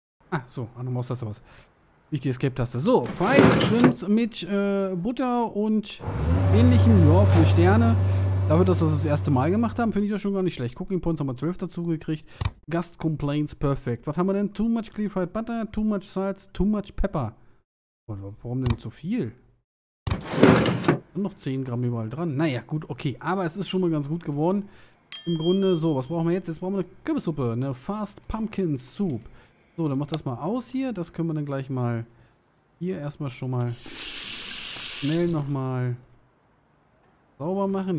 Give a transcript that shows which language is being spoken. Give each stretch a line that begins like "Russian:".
German: Ah, so, an der Maustaste was. Nicht die Escape-Taste. So, Fried Shrimps mit Butter und ähnlichem. Ja, 4 Sterne. Dafür, dass wir das erste Mal gemacht haben, finde ich das schon gar nicht schlecht. Cooking Points haben wir 12 dazu gekriegt. Gast Complaints, perfekt. Was haben wir denn?
English: Too much clarified butter, too much salt, too much pepper.
German: Warum denn zu viel? Und noch 10 Gramm überall dran. Naja, gut, okay. Aber es ist schon mal ganz gut geworden. Im Grunde, so, was brauchen wir jetzt? Jetzt brauchen wir eine Kürbissuppe, eine Fast Pumpkin Soup. So, dann macht das mal aus hier. Das können wir dann gleich mal hier erstmal schon mal schnell nochmal sauber machen.